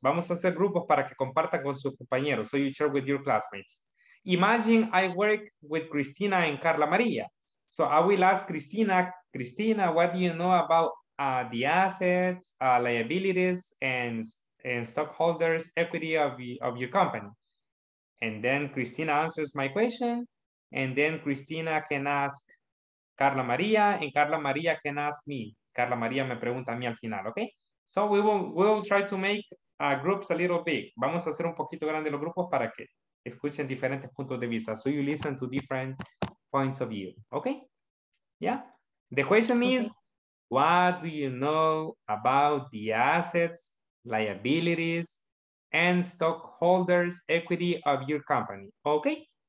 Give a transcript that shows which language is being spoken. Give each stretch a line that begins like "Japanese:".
Spanish: Vamos a hacer grupos para que compartan con sus compañeros.
English: So you share with your classmates. Imagine I work with Cristina and Carla Maria. So I will ask Cristina, what do you know about the assets, liabilities, and stockholders' equity of your company? And then Cristina answers my question. And then Cristina can ask Carla Maria, and Carla Maria can ask me. Carla Maria
Spanish: me pregunta a mí al final,
English: okay? So we will try to make groups a little big.
Spanish: Vamos a hacer un poquito grande los grupos para que escuchen diferentes puntos de vista.
English: So you listen to different points of view, okay? Yeah? The question is, what do you know about the assets, liabilities, and stockholders' equity of your company, okay?